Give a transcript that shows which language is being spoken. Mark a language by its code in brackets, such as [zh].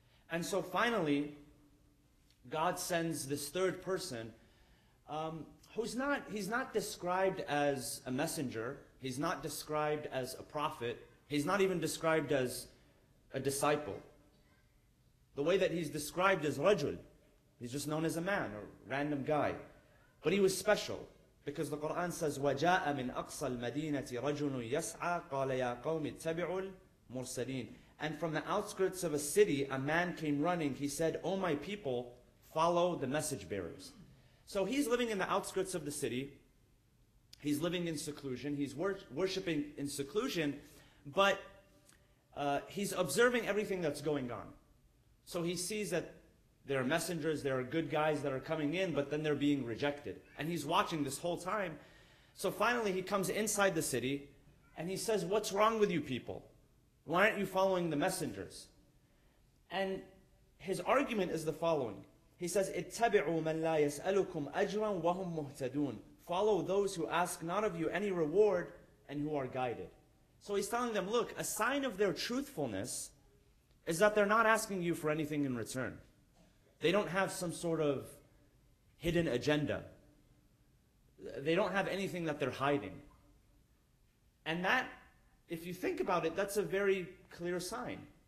[en] And so finally, God sends this third person, he's not described as a messenger, he's not described as a prophet, he's not even described as a disciple. The way that he's described is rajul, he's just known as a man, or random guy. But he was special, because the Quran says, [ar] وَجَاءَ مِنْ أَقْصَى الْمَدِينَةِ رَجُلٌ يَسْعَى قَالَ يَا قَوْمِ اتَّبِعُوا الْمُرْسَلِينَ. [en] And from the outskirts of a city, a man came running, he said, "Oh my people, follow the message bearers." So he's living in the outskirts of the city. He's living in seclusion. He's worshiping in seclusion. But he's observing everything that's going on. So he sees that there are messengers, there are good guys that are coming in, but then they're being rejected. And he's watching this whole time. So finally he comes inside the city and he says, "What's wrong with you people? Why aren't you following the messengers?" And his argument is the following. He says, [ar] اتَّبِعُوا مَنْ لَا يَسْأَلُكُمْ أَجْرًا وَهُمْ مُهْتَدُونَ. [en] Follow those who ask not of you any reward and who are guided. So he's telling them, look, a sign of their truthfulness is that they're not asking you for anything in return. They don't have some sort of hidden agenda. They don't have anything that they're hiding. And that, if you think about it, that's a very clear sign.